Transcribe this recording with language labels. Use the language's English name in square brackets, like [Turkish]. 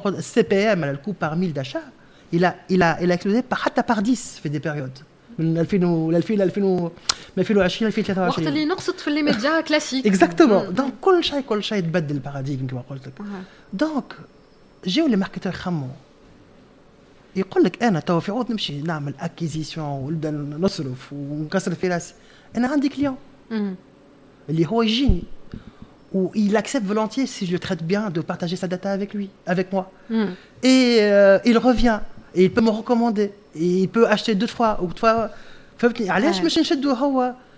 [French] CPM, le coût par 1000 d'achat, il a explosé par 10 fait des périodes. [Arabic] من 2000 وقت اللي في الميديا كلاسيك. [French] Exactement. [Arabic] Donc كل شيء تبدل الباراديغم كما قلت لك. Donc جاو لي ماركتور خمو. يقول لك انا تو في عوض نمشي نعمل اكيزيسيون ولدا نصرف ونكسر في راسي انا عندي كليون اللي هو يجيني [French] و il accepte volontiers si je le traite bien de partager sa data avec lui avec moi et il revient et il peut me recommander et il peut acheter deux fois ou trois fois [Arabic] علاش مش نشدو هو